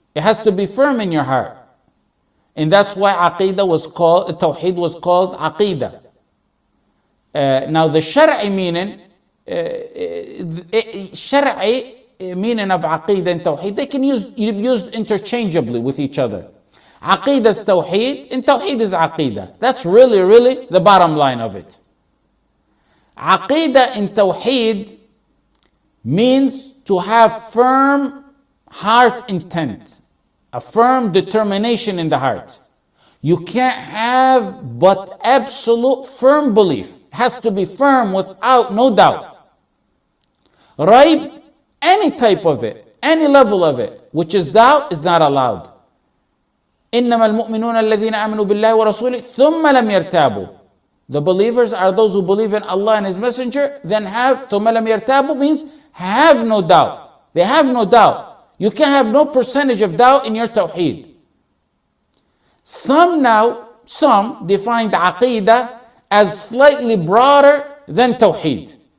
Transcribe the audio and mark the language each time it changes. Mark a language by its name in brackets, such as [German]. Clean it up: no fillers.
[English] It has to be firm in your heart. And that's why aqeedah was called, tawheed was called aqeedah. Now the shara'i meaning, shara'i, meaning of aqeedah and tawheed, they can be used interchangeably with each other. [Arabic] عقيدة التوحيد إن توحيد is عقيدة. [English] That's really really the bottom line of it. [Arabic] عقيدة إن توحيد [English] means to have firm heart intent, a firm determination in the heart. You can't have but absolute firm belief. It has to be firm without no doubt. Raib, any type of it, any level of it, which is doubt, is not allowed. [Arabic] إنما المؤمنون الذين آمنوا بالله ورسوله ثم لم يرتابوا. [English] The believers are those who believe in Allah and His Messenger, then have, [Arabic] ثم لم يرتابوا [English] means have no doubt. They have no doubt. You can have no percentage of doubt in your tawheed. Some now, some defined aqidah as slightly broader than tawheed.